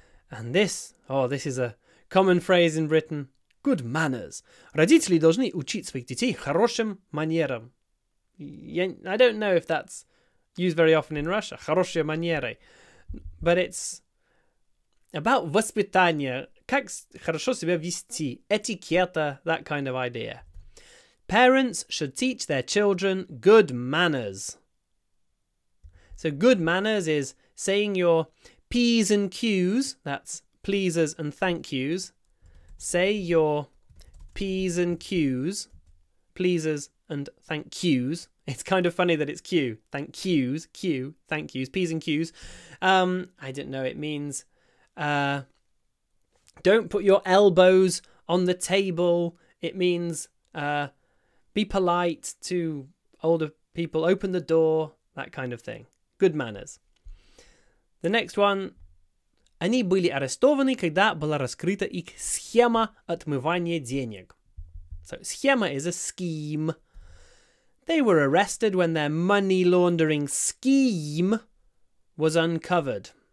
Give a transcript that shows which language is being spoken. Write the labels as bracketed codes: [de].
[en] And this, oh, this is a common phrase in Britain. Good manners. [ru] Родители должны учить своих детей хорошим манерам. [en] I don't know if that's used very often in Russia. [ru] Хорошие манеры. [en] But it's about воспитание. [ru] Как хорошо себя вести. Этикета, [en] that kind of idea. Parents should teach their children good manners. So good manners is saying your P's and Q's. That's pleases and thank yous. Say your P's and Q's. Pleases and thank yous. It's kind of funny that it's Q. Thank yous. Q. Thank yous. P's and Q's. I don't know. It means don't put your elbows on the table. It means be polite to older people. Open the door. That kind of thing. Good manners. The next one. [ru] Они были арестованы, когда была раскрыта их схема отмывания денег. [en] So, схема is a scheme. They were arrested when their money laundering scheme was uncovered.